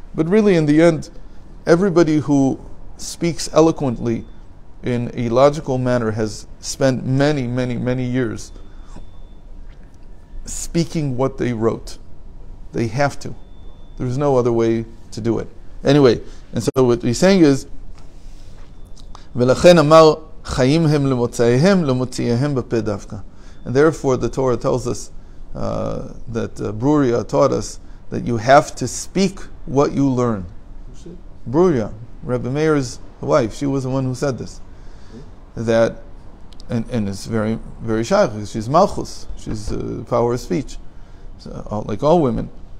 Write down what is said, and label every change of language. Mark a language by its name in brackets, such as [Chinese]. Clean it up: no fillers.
[English] But really, in the end, everybody who speaks eloquently in a logical manner has spent many, many, many years speaking what they wrote. They have to. There's no other way to do it. Anyway, and so what he's saying is, [Hebrew] ולכן אמר, חיים הם למוצאיהם, למוציאיהם בפה דווקא. [English] And therefore, the Torah tells us that Bruria taught us that you have to speak what you learn. Bruria, Rabbi Meir's wife, she was the one who said this. That, and it's very, very shach, she's Malchus, she's the power of speech, so, like all women.